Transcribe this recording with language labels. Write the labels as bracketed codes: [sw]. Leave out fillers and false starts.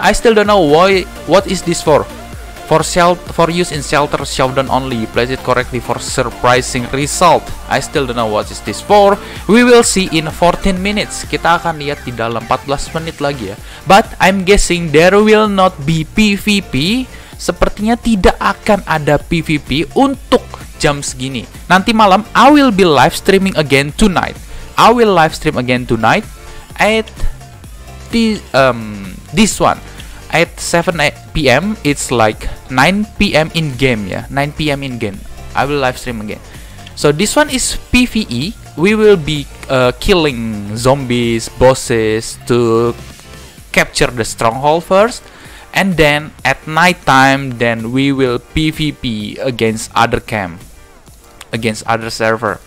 [en] I still don't know why what is this for? For shelter, for use in shelter showdown only. Place it correctly for surprising result. I still don't know what is this for. We will see in 14 minutes. [id] Kita akan lihat di dalam 14 menit lagi ya. [en] But I'm guessing there will not be PvP. [id] Sepertinya tidak akan ada PvP untuk jam segini. Nanti malam [en] I will be live streaming again tonight. I will live stream again tonight at this one. At 7 PM, it's like 9 PM in game ya. 9 PM in game. I will live stream again. So this one is PVE. We will be killing zombies, bosses to capture the stronghold first, and then at night time, then we will PVP against other camp, against other server.